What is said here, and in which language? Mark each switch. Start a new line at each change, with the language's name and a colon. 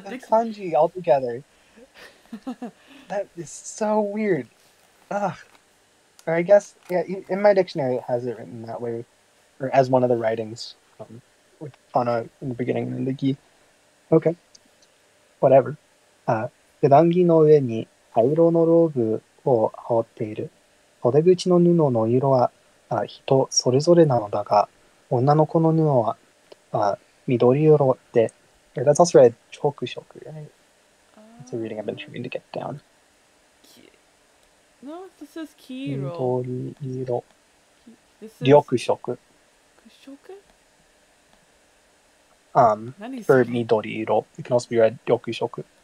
English: dictionary. Kanji altogether. That is so weird. Or I guess, yeah, in my dictionary, it has it written that way, or as one of the writings with Anna in the beginning and the gi. Okay. Whatever.
Japanese: 普段着の上に灰色のローブを羽織っている。袖口の布の色は人それぞれなのだが、女の子の布は緑色で。
English: That's also red, chalk shock, right? That's a reading I've been trying to get down. No, this is 黄色。
Japanese: 緑色。緑色。緑色？
English: For midori iro, it can also be read ryokushoku.